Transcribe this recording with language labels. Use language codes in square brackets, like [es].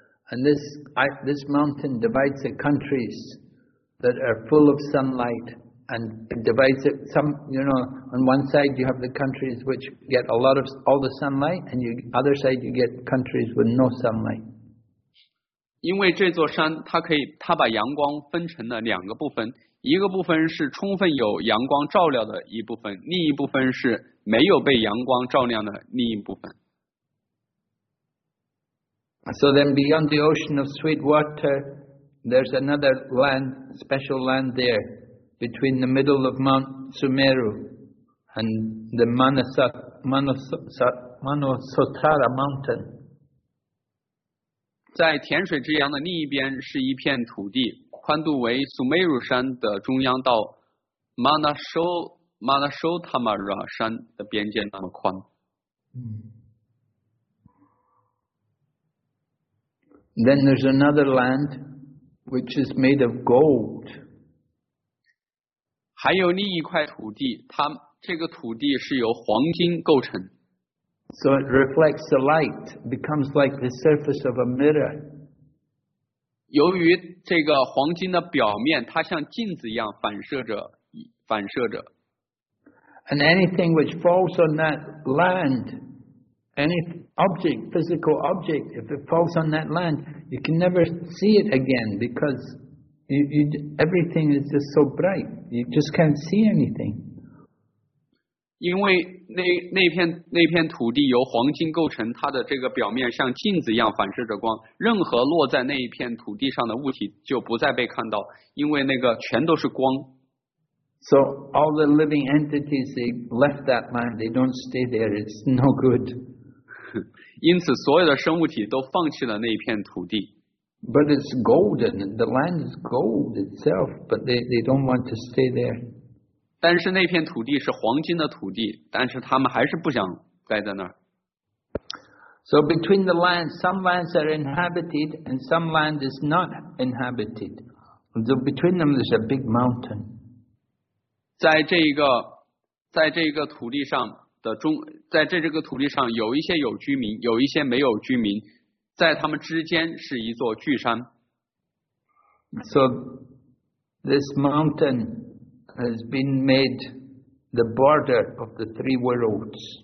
[en] And this mountain divides the countries that are full of sunlight and divides it some, you know, on one side you have the countries which get a lot of all the sunlight and you, other side you get countries with no sunlight. [zh] 因为这座山它把阳光分成了两个部分，一个部分是充分有阳光照亮的一部分，另一部分是没有被阳光照亮的另一部分。 [en] So then beyond the ocean of sweet water, there's another land, special land there, between the middle of Mount Sumeru and the Manasotara mountain. [zh] 在甜水之洋的另一边是一片土地，宽度为 Sumeru 山的中央到 Manasotamara 山的边界那么宽。 [en] Then there's another land which is made of gold. [zh] 还有另一块土地，它这个土地是由黄金构成。 [en] So it reflects the light, becomes like the surface of a mirror. [zh] 由于这个黄金的表面，它像镜子一样反射着，反射着。 [en] And anything which falls on that land, any object, physical object, if it falls on that land, you can never see it again because everything is just so bright. You just can't see anything. [zh] 因为那片土地由黄金构成，它的这个表面像镜子一样反射着光，任何落在那一片土地上的物体就不再被看到，因为那个全都是光。 [en] So all the living entities, they left that land, they don't stay there, it's no good. [zh] 因此所有的生物体都放弃了那一片土地。 [en] But it's golden, the land is gold itself, but they don't want to stay there. [zh] 但是那片土地是黄金的土地，但是他们还是不想待在那儿。 [en] So between the lands, some lands are inhabited and some land is not inhabited. So between them, there's a big mountain. [zh] 在这个土地上的中，在这个土地上有一些有居民，有一些没有居民，在他们之间是一座巨山。 [en] So this mountain. Has been made the border of the three worlds.